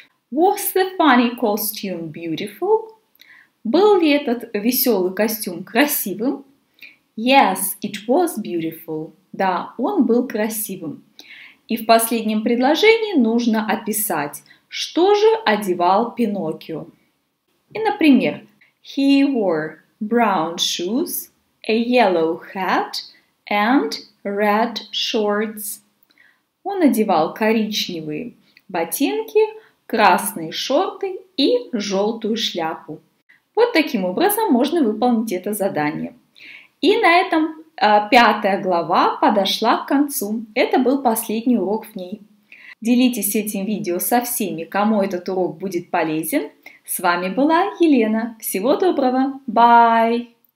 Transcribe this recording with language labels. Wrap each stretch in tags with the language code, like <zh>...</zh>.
<en>Was the funny costume beautiful?</en> <ru>Был ли этот веселый костюм красивым?</ru> <en>Yes, it was beautiful.</en> <ru>Да, он был красивым. И в последнем предложении нужно описать, что же одевал Пиноккио. И, например,</ru> <en>he wore brown shoes, a yellow hat, and red shorts.</en> <ru>Он одевал коричневые ботинки, красные шорты и желтую шляпу. Вот таким образом можно выполнить это задание. И на этом пятая глава подошла к концу. Это был последний урок в ней. Делитесь этим видео со всеми, кому этот урок будет полезен. С вами была Елена. Всего доброго. Bye!</ru>